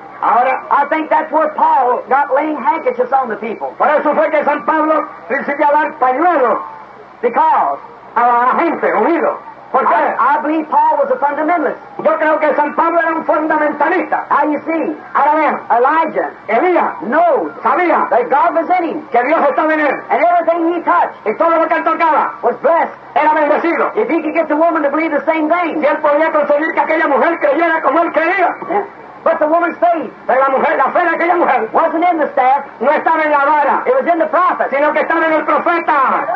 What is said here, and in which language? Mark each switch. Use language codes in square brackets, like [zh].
[en] I think that's where Paul got laying handkerchiefs on the people. [es] Por eso fue que San Pablo principió a dar pañuelos. [en] Because [es] a la gente unido. ¿Por qué? [en] I believe Paul was a fundamentalist. [es] Yo creo que San Pablo era un fundamentalista. [en] Now you see. [es] Ahora vean. [en] Elijah. [es] Elías. [en] Knows. [es] Sabía. [en] That God was in him. [es] Que Dios estaba en él. [en] And everything he touched. [es] Y todo lo que él tocaba. [en] Was blessed. [es] Era bendecido. [en] If he could get the woman to believe the same thing. [es] Si él podía conseguir que aquella mujer creyera como él creía. [en] But the woman's faith. [es] Pero la fe de aquella mujer. [en] Wasn't in the staff. [es] No estaba en la vara. [en] It was in the prophet. [es] Sino que estaba en el profeta.